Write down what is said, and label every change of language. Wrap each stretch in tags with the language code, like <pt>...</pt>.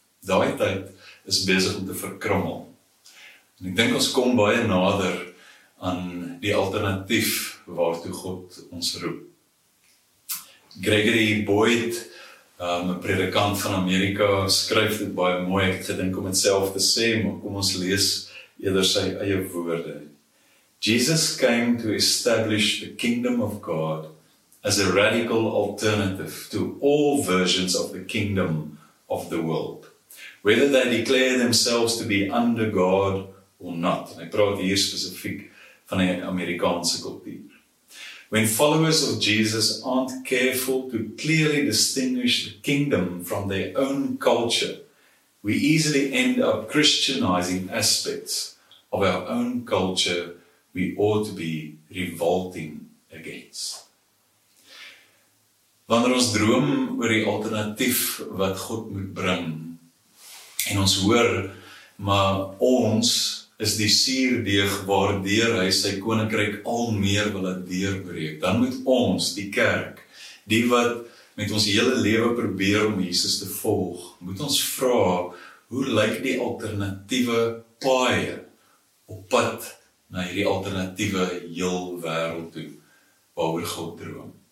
<af>Daai tyd is besig om te verkrummel. En ek dink ons kom baie nader aan die alternatief waartoe God ons roep. Gregory Boyd, 'n predikant van Amerika, skryf dit baie mooi. Ek het gedink om dit self te sê, maar kom ons lees eerder sy eie woorde.</af> <en>Jesus came to establish the kingdom of God as a radical alternative to all versions of the kingdom of the world. Whether they declare themselves to be under God or not.</en> <af>En ek praat hier spesifiek van die Amerikaanse kultuur.</af> <en>When followers of Jesus aren't careful to clearly distinguish the kingdom from their own culture, we easily end up Christianizing aspects of our own culture we ought to be revolting against.</en> <af>Wanneer ons droom oor die alternatief wat God moet bring, en ons hoor, maar ons is die suurdeeg waardeur hy sy koninkryk al meer wil het deurbreek, dan moet ons, die kerk, die wat met ons hele lewe probeer om Jesus te volg, moet ons vra, hoe lyk die alternatiewe paaie op pad na hierdie alternatiewe heel wêreld toe, waaroor God droom?</af>